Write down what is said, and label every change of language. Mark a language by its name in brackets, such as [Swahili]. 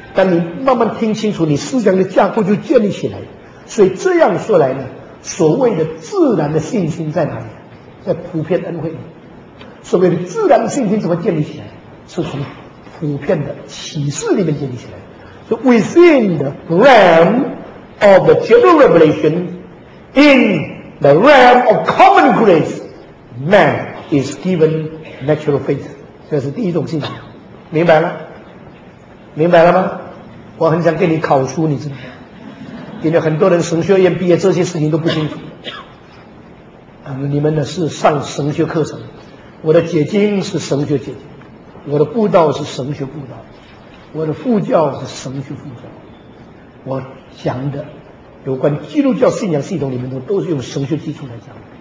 [Chinese] 当你慢慢听清楚，你思想的架构就建立起来。所以这样说来呢，所谓的自然的信心在哪里？在普遍恩惠里。所谓的自然的信心怎么建立起来？是从普遍的启示里面建立起来。 [English] So within the realm of the General Revelation inThe realm of common grace, man is given natural faith. [Chinese] 这是第一种信心，明白了？明白了吗？我很想给你考书，你知道吗？因为很多人神学院毕业，这些事情都不清楚。你们呢是上神学课程，我的解经是神学解经，我的布道是神学布道，我的副教是神学副教，我讲的有关基督教信仰系统里面都是用神学基础来讲。